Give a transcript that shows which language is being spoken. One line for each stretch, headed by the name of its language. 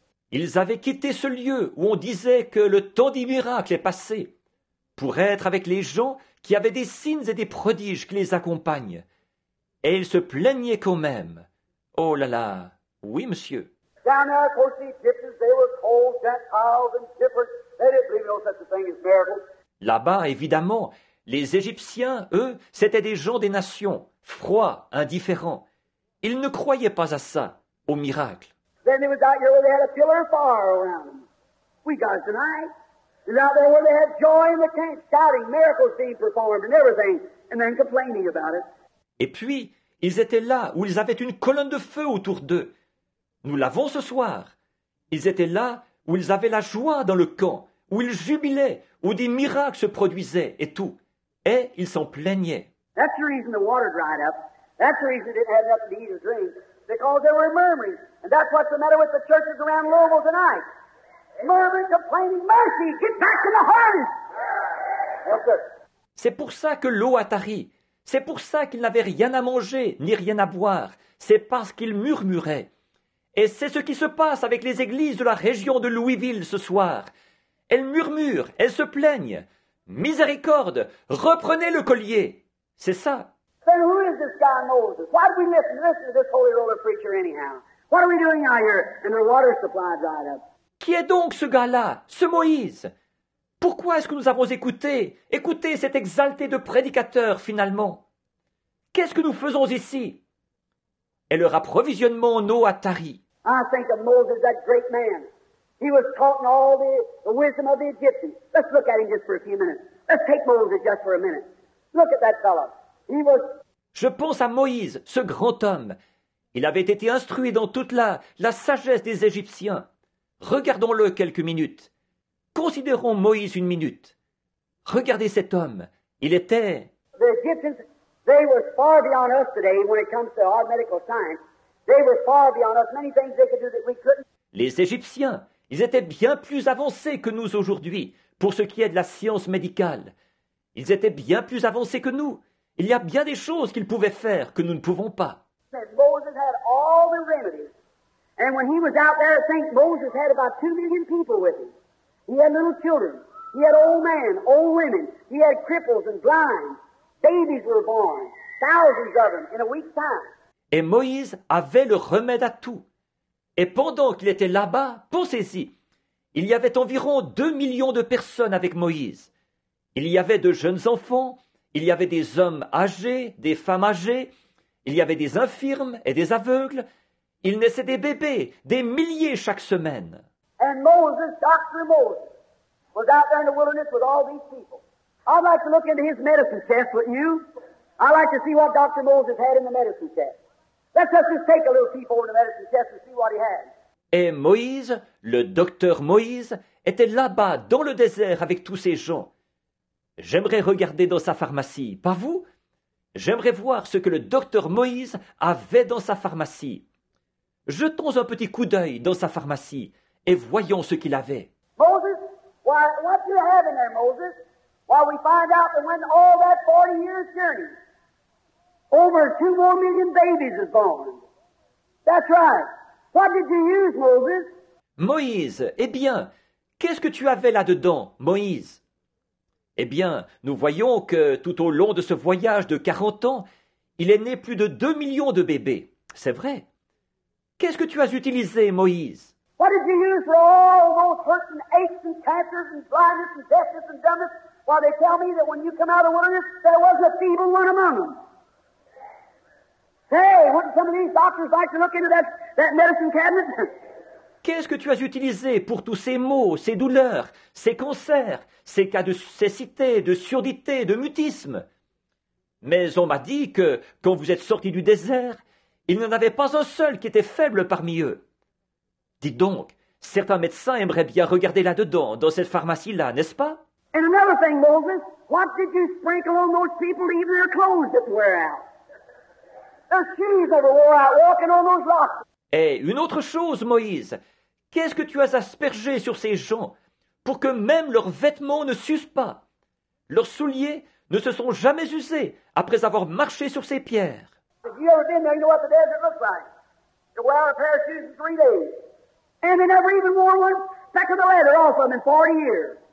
French: Ils avaient quitté ce lieu où on disait que le temps des miracles est passé pour être avec les gens qui avaient des signes et des prodiges qui les accompagnent. Et ils se plaignaient quand même. Oh là là, oui monsieur.
English: Down there, of course, the Egyptians, they were cold, Gentiles and different. They didn't believe no such thing as miracles.
French: Là-bas, évidemment, les Égyptiens, eux, c'étaient des gens des nations, froids, indifférents. Ils ne croyaient pas à ça, aux miracles.
English: Then it was out here where they had a pillar of fire around them. We got it tonight. It was out there where they had joy in the camp, shouting, miracles being performed and everything, and then complaining about it.
French: Et puis, ils étaient là où ils avaient une colonne de feu autour d'eux. Nous l'avons ce soir. Ils étaient là où ils avaient la joie dans le camp, où ils jubilaient, où des miracles se produisaient et tout. Et ils s'en plaignaient.
English: That's the reason the water dried up. That's the reason it didn't have enough to eat and drink. Because there were murmurs. And that's what's the matter with the churches around Louisville tonight. Murmurs, complaining, mercy, get back to the harvest. Yes, sir.
French: C'est pour ça que l'eau a tari. C'est pour ça qu'ils n'avaient rien à manger, ni rien à boire. C'est parce qu'ils murmuraient. Et c'est ce qui se passe avec les églises de la région de Louisville ce soir. Elles murmurent, elles se plaignent. Miséricorde, reprenez le collier. C'est ça.
English: Then who is this guy Moses? Why do we listen to this holy roller preacher anyhow? What are we doing out here? And their water supply dried up.
French: Qui est donc ce gars-là, ce Moïse? Pourquoi est-ce que nous avons écouté cet exalté de prédicateur finalement? Qu'est-ce que nous faisons ici? Et leur approvisionnement en eau a tari.
English: I think of Moses, that great man. He was taught in all the wisdom of the Egyptians. Let's look at him just for a few minutes. Let's take Moses just for a minute. Look at that fellow. He was.
French: Je pense à Moïse, ce grand homme. Il avait été instruit dans toute la sagesse des Égyptiens. Regardons-le quelques minutes. Considérons Moïse une minute. Regardez cet homme. Il était.
English: The Egyptians, they were far beyond us today when it comes to our medical science. They were far beyond us. Many things they could do that we couldn't.
French: Les Égyptiens, ils étaient bien plus avancés que nous aujourd'hui pour ce qui est de la science médicale. Ils étaient bien plus avancés que nous. Il y a bien des choses qu'ils pouvaient faire que nous ne pouvons pas.
English: Moses had all the remedies. And when he was out there, St. Moses had about 2 million people with him. He had little children. He had old men, old women. He had cripples and blind. Babies were born. Thousands of them in a week's time.
French: Et Moïse avait le remède à tout. Et pendant qu'il était là-bas, pensez-y, il y avait environ 2 millions de personnes avec Moïse. Il y avait de jeunes enfants, il y avait des hommes âgés, des femmes âgées, il y avait des infirmes et des aveugles. Il naissait des bébés, des milliers chaque semaine.
English: And Moses, Dr. Moses, was out there in the wilderness with all these people. I'd like to look into his medicine chest with you. I'd like to see what Dr. Moses had in the medicine chest. Let's just take a little peep over the medicine chest and see what he had.
French: Et Moïse, le docteur Moïse, était là-bas, dans le désert, avec tous ces gens. J'aimerais regarder dans sa pharmacie, pas vous? J'aimerais voir ce que le docteur Moïse avait dans sa pharmacie. Jetons un petit coup d'œil dans sa pharmacie et voyons ce qu'il avait.
English: Moses, why, what do you have in there, Moses? While we find out that when all that 40 years journey, over 2 more million babies is born. That's right. What did you use, Moses?
French: Moïse, eh bien, qu'est-ce que tu avais là-dedans, Moïse? Eh bien, nous voyons que tout au long de ce voyage de 40 ans, il est né plus de 2 millions de bébés. C'est vrai. Qu'est-ce que tu as utilisé, Moïse?
English: What did you use for all those hurts and aches and cancers and blindness and deafness and dumbness while they tell me that when you come out of the wilderness, there was a feeble one among them? Hey, wouldn't some of these doctors like to look into that medicine cabinet?
French: Qu'est-ce que tu as utilisé pour tous ces maux, ces douleurs, ces cancers, ces cas de cécité, de surdité, de mutisme? Mais on m'a dit que, quand vous êtes sortis du désert, il n'y en avait pas un seul qui était faible parmi eux. Dites donc, certains médecins aimeraient bien regarder là-dedans, dans cette pharmacie-là, n'est-ce pas?
English: And another thing, Moses, what did you sprinkle on those people to even their clothes that wear out? Their shoes that wore out walking on those rocks.
French: Et une autre chose, Moïse, qu'est-ce que tu as aspergé sur ces gens pour que même leurs vêtements ne s'usent pas? Leurs souliers ne se sont jamais usés après avoir marché sur ces pierres.
English: If you've ever been there, you know what the desert looks like. You wear a pair of shoes in 3 days. And they never even wore one speck of the leather off them in 40 years.